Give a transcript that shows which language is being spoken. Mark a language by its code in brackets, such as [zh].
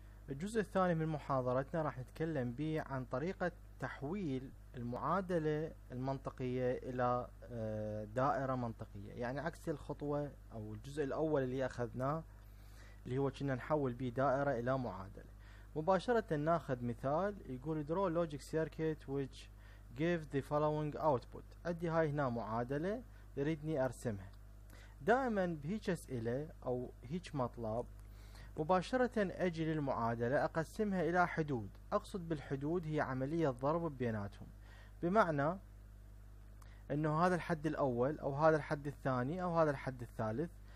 [ar] الجزء الثاني من محاضرتنا راح نتكلم به عن طريقة تحويل المعادلة المنطقية إلى دائرة منطقية، يعني عكس الخطوة أو الجزء الأول اللي أخذناه اللي هو كنا نحول به دائرة إلى معادلة. مباشرة نأخذ مثال يقول [en] draw logic circuit which give the following output. [ar] أدي هاي هنا معادلة يريدني أرسمها. دائما بهيج أسئلة أو هيج مطلب مباشرة أجي للمعادلة أقسمها إلى حدود، أقصد بالحدود هي عملية ضرب بيناتهم، بمعنى أنه هذا الحد الأول أو هذا الحد الثاني أو هذا الحد الثالث.